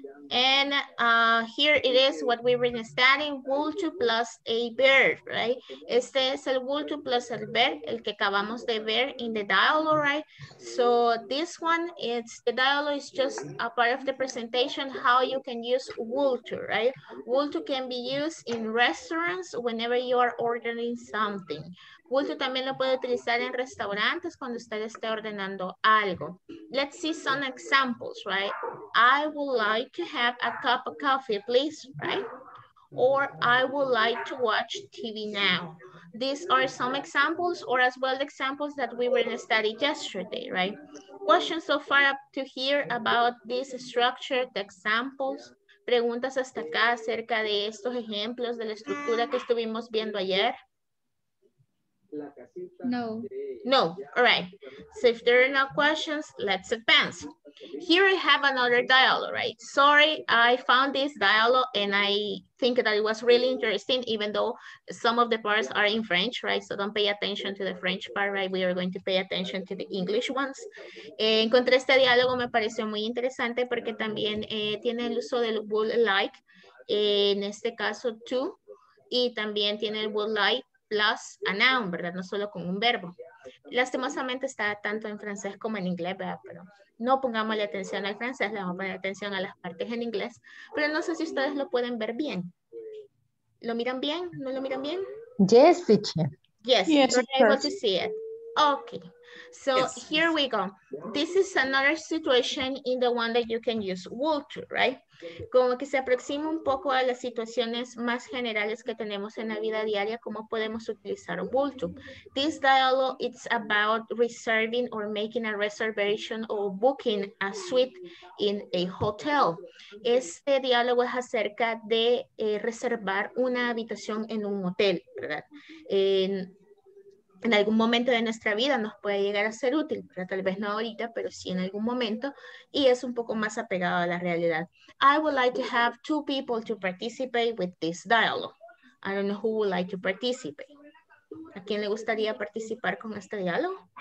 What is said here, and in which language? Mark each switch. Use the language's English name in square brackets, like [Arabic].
[English] And here it is what we've been studying, will to plus a verb, right? [Spanish] Este es el will to plus el verb, el que acabamos de ver [English] in the dialogue, right? So this one, it's the dialogue is just a part of the presentation, how you can use will to, right? Will to can be used in restaurants whenever you are ordering something. [Spanish] Will to también lo puede utilizar en restaurantes cuando usted esté ordenando algo. [English] Let's see some examples, right? I would like to have a cup of coffee, please, right? Or I would like to watch TV now. These are some examples, or as well the examples that we were in a study yesterday, right? Questions so far up to here about this structure, the examples. [Spanish] Preguntas hasta acá acerca de estos ejemplos de la estructura que estuvimos viendo ayer. No. [English] No. All right. So if there are no questions, let's advance. Here I have another dialogue, right? Sorry, I found this dialogue and I think that it was really interesting, even though some of the parts are in French, right? So don't pay attention to the French part, right? We are going to pay attention to the English ones. [Spanish] Encontré este diálogo, me pareció muy interesante porque también tiene el uso del would like, en este caso, to, y también tiene el would like [English] plus a noun, [Spanish] ¿verdad? No solo con un verbo. Lastimosamente está tanto en francés como en inglés, ¿verdad? Pero no pongamos la atención al francés, le vamos a poner atención a las partes en inglés. Pero no sé si ustedes lo pueden ver bien. ¿Lo miran bien? ¿No lo miran bien? [English] Yes, teacher. Yes, yes, you're able to see it. Okay. So yes. Here we go. This is another situation in the one that you can use will to, right? [Spanish] Como que se aproxima un poco a las situaciones más generales que tenemos en la vida diaria, ¿cómo podemos utilizar will to? [English] This dialogue, it's about reserving or making a reservation or booking a suite in a hotel. [Spanish] Este diálogo es acerca de reservar una habitación en un hotel, ¿verdad? En, en algún momento de nuestra vida nos puede llegar a ser útil, pero tal vez no ahorita, pero sí en algún momento, y es un poco más apegado a la realidad. [English] I would like to have two people to participate with this dialogue. I don't know who would like to participate. [Spanish] ¿A quién le gustaría participar con este diálogo?